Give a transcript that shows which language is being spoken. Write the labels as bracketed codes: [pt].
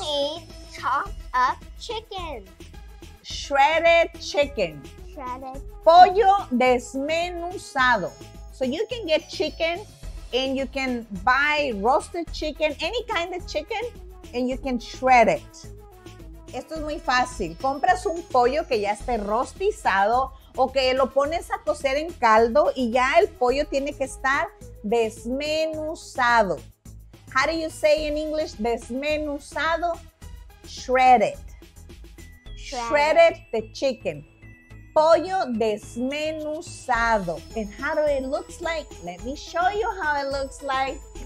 [en] You need chopped up chicken. Shredded chicken. Shredded. [es] Pollo desmenuzado. [en] So you can get chicken and you can buy roasted chicken, any kind of chicken, and you can shred it. [es] Esto es muy fácil. Compras un pollo que ya esté rostizado o que lo pones a cocer en caldo y ya el pollo tiene que estar... desmenuzado. [en] How do you say in English [es] desmenuzado? [en] Shredded. Shredded the chicken. [es] pollo desmenuzado. [en] And how do it look like? Let me show you how it looks like.